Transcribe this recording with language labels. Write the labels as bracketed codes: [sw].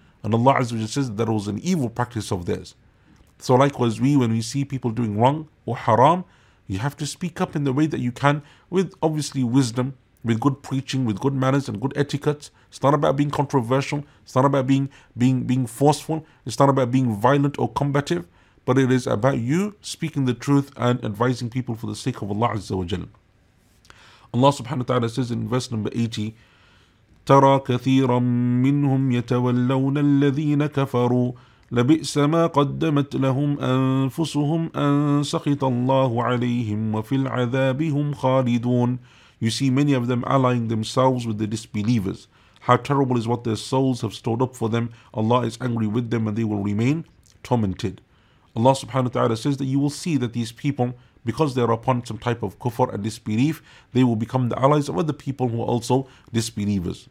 [en] And Allah Azza wa Jalla says that was an evil practice of theirs. So likewise, when we see people doing wrong or haram, you have to speak up in the way that you can, with obviously wisdom, with good preaching, with good manners and good etiquette. It's not about being controversial. It's not about being forceful. It's not about being violent or combative. But it is about you speaking the truth and advising people for the sake of Allah Azza wa Jalla. Allah subhanahu wa ta'ala says in verse number 80, [ar] تَرَى كَثِيرًا مِّنْهُمْ يَتَوَلَّوْنَ الَّذِينَ كَفَرُوا لَبِئْسَ مَا قَدَّمَتْ لَهُمْ أَنفُسُهُمْ أَن سَخِطَ اللَّهُ عَلَيْهِمْ وَفِي الْعَذَابِ هُمْ خَالِدُونَ. [en] You see many of them allying themselves with the disbelievers. How terrible is what their souls have stored up for them. Allah is angry with them and they will remain tormented. Allah subhanahu wa ta'ala says that you will see that these people, because they are upon some type of kufr and disbelief, they will become the allies of other people who are also disbelievers.